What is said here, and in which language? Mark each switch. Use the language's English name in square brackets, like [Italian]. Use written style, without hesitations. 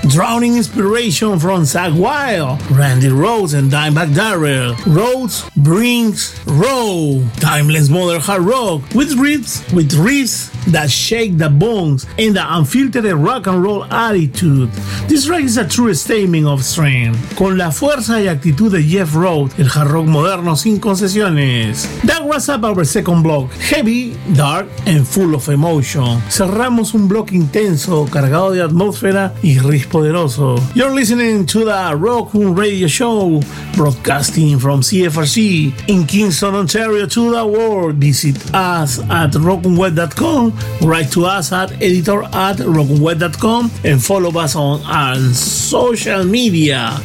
[English] Drawing inspiration from Zakk Wylde, Randy Rhoads, and Dimebag Darrell, Rhoads brings Rowe, timeless modern hard rock, with riffs that shake the bones and the unfiltered rock and roll attitude. This track is a true statement of strength. [Spanish] Con la fuerza y actitud de Jeff Rowe, el hard rock moderno sin concesiones. [English] That was up our second block. Heavy, dark, and full of emotion. [Spanish] Cerramos un block intenso, cargado de atmósfera y riff poderoso. [English] You're listening to the Rock Room Radio Show, broadcasting from CFRC in Kingston, Ontario, to the world. Visit us at rockroomweb.com, write to us at editor@rockroomweb.com, and follow us on our social media.